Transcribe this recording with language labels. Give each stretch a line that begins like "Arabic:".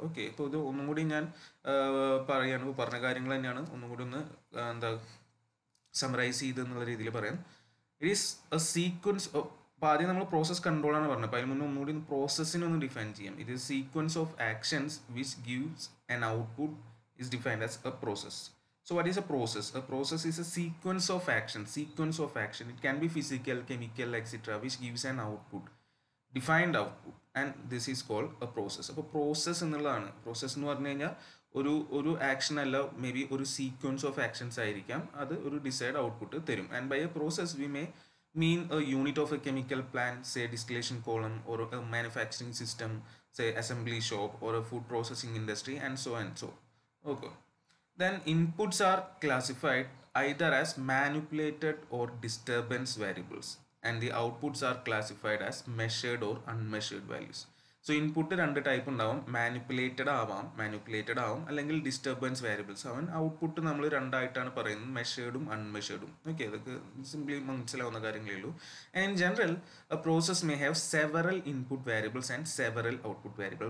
Malayalam: Okay, അപ്പോൾ ഇത് ഒന്നും കൂടി ഞാൻ പറയാണ്, പറഞ്ഞ കാര്യങ്ങൾ തന്നെയാണ്, ഒന്നും കൂടി ഒന്ന് എന്താ സമറൈസ് ചെയ്തെന്നുള്ള രീതിയിൽ പറയാം.
English: it is a sequence of,
Malayalam: ആദ്യം നമ്മൾ പ്രോസസ് കൺട്രോളാണ് പറഞ്ഞത്, അപ്പോൾ അതിന് മുന്നേ ഒന്നുകൂടി ഒന്ന് പ്രോസസ്സിനെ ഒന്ന് ഡിഫൈൻ ചെയ്യാം.
English: ഇത് sequence of actions which gives an output is defined as a process. So what is a process? A process is a sequence of action. Sequence of action. It can be physical, chemical, etc. which gives an output. Defined output. And this is called a process. So process is called a process. Process is called an action. Maybe a sequence of actions. That is a desired output. And by a process we may mean a unit of a chemical plant. Say distillation column or a manufacturing system. Say assembly shop or a food processing industry and so on and so. Okay. Then inputs are classified either as manipulated or disturbance variables, and the outputs are classified as measured or unmeasured values. So input
Malayalam: രണ്ട് type ഉണ്ടാവും, manipulated ആവാം, manipulated ആവും, അല്ലെങ്കിൽ disturbance variables ആവും. Output നമ്മൾ രണ്ടായിട്ടാണ് പറയുന്നത്, മെഷേർഡും അൺമെഷേർഡും. Okay, ഇതൊക്കെ simply മനസ്സിലാവുന്ന കാര്യങ്ങളേ ഉള്ളൂ.
English: In general process may have several input variables and several output variable.